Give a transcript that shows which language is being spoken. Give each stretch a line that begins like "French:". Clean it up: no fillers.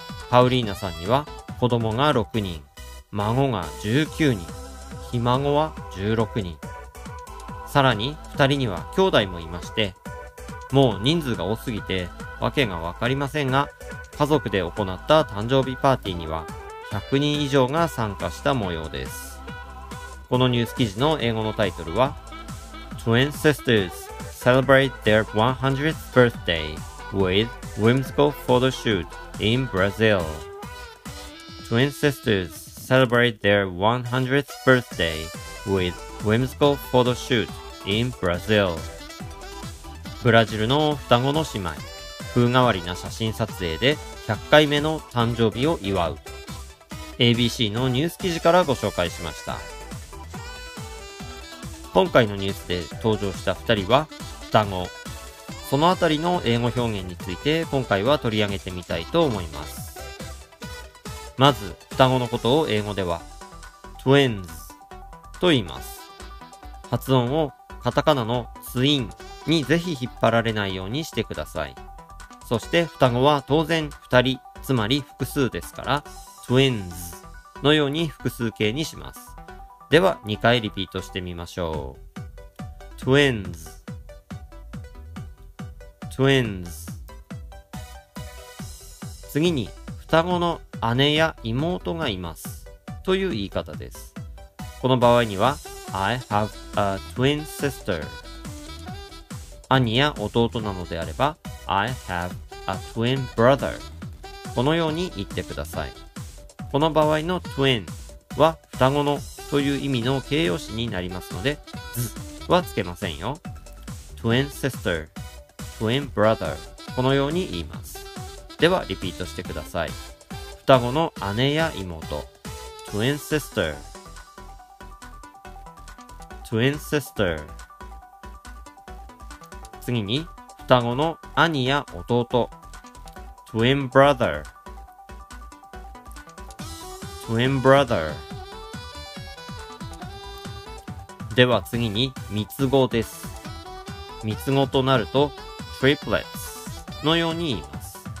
Japanese: パウリーナさんには子供が6人、孫が19人、ひ孫は16人。さらに2人には兄弟もいまして、もう人数が多すぎてわけがわかりませんが、家族で行った誕生日パーティーには100人以上が参加した模様です。このニュース記事の英語のタイトルは
English: Twin Sisters Celebrate Their 100th Birthday with Whimsical Photo Shoot in Brazil. Twin Sisters Celebrate Their 100th Birthday with Whimsical Photo Shoot in Brazil.
Japanese: ブラジルの双子の姉妹、風変わりな写真撮影で100回目の誕生日を祝う。 ABC のニュース記事からご紹介しました。今回のニュースで登場した2人は双子。そのあたりの英語表現について今回は取り上げてみたいと思います。まず双子のことを英語では Twins と言います。発音をカタカナのツインにぜひ引っ張られないようにしてください。そして双子は当然二人、つまり複数ですから、twins のように複数形にします。では2回リピートしてみましょう。
English: twins, twins。
Japanese: 次に双子の姉や妹がいますという言い方です。この場合には、
English: I have a twin sister。
Japanese: 兄や弟なのであれば、
English: I have a twin brother。
Japanese: このように言ってください。この場合の twin は双子のという意味の形容詞になりますので、 z はつけませんよ。
English: twin sister、 twin brother、
Japanese: このように言います。ではリピートしてください。双子の姉や妹、
English: twin sister、 twin sister。
Japanese: 次に双子の兄や弟、
English: twin brother、twin brother。
Japanese: では次に三つ子です。三つ子となると triplets のように言います。